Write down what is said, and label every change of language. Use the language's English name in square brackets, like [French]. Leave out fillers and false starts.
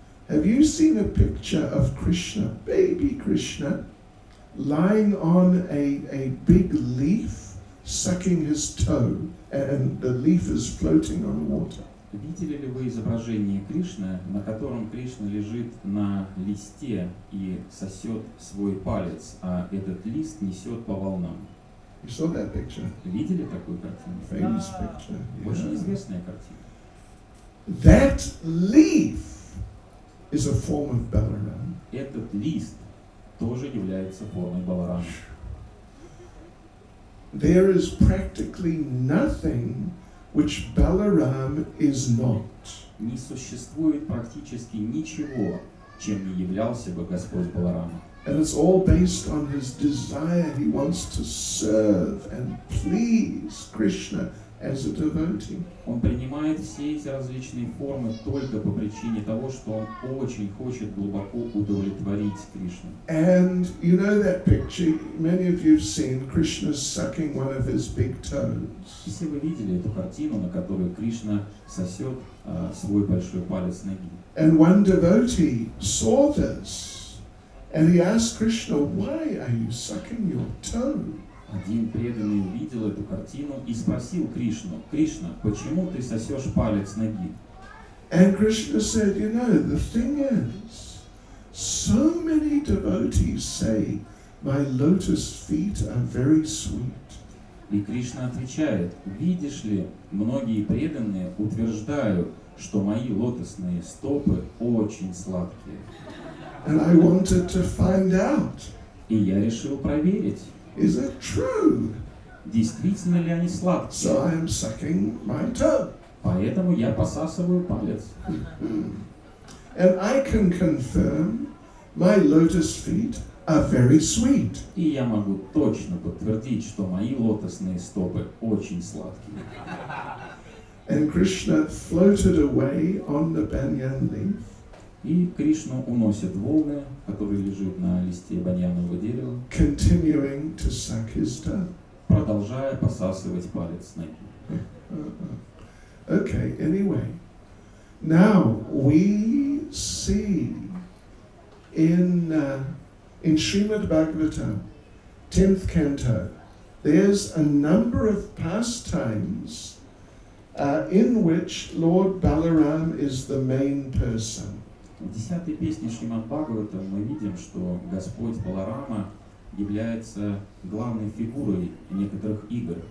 [English] Have you seen a picture of Krishna, baby Krishna, lying on a big leaf, sucking his toe, and the leaf is floating on water? [Russian] Видели ли вы изображение Кришны, на котором Кришна лежит на листе и сосет свой палец, а этот лист несет по волнам? [English] You saw that picture? [Russian] Видели такую картину? [English] Famous picture. Yeah. [Russian] Очень известная картина. [English] That leaf is a form of Balaram. [Russian] Этот лист тоже является формой Баларамы. [English] There is practically nothing which Balaram is not. [Russian] Не существует практически ничего, чем не являлся бы Господь Баларама. [English] And it's all based on his desire. He wants to serve and please Krishna as a devotee. [Russian] Он принимает все эти различные формы только по причине того, что он очень хочет глубоко удовлетворить Кришну. [English] And you know that picture, many of you have seen Krishna sucking one of his big toes. [Russian] Все вы видели эту картину, на которой Кришна сосет свой большой палец ноги. [English] And one devotee saw this. And he asked Krishna, why are you sucking your toe? [Russian] Один преданный увидел эту картину и спросил Кришну, Кришна, почему ты сосешь палец ноги? [English] And Krishna said, you know, the thing is, so many devotees say, my lotus feet are very sweet. [Russian] И Кришна отвечает, видишь ли, многие преданные утверждают, что мои лотосные стопы очень сладкие. [English] And I wanted to find out. [Russian] И я решил проверить. [English] Is it true? [Russian] Действительно ли они сладкие? [English] So I am sucking my toe. [Russian] Поэтому я посасываю палец. [English] And I can confirm my lotus feet are very sweet. [Russian] И я могу точно подтвердить, что мои лотосные стопы очень сладкие. [English] And Krishna floated away on the banyan leaf. [Russian] И Кришна уносит волны, которые лежат на листе баньянового дерева, [English] continuing to suck his tongue. [Russian] Продолжая посасывать палец ноги. [English] Okay, anyway. Now we see in Srimad Bhagavatam 10th canto, there's a number of pastimes in which Lord Balaram is the main person. [Russian] В 10-й песне Шримад-Бхагаватам мы видим, что Господь Баларама является главной фигурой некоторых игр.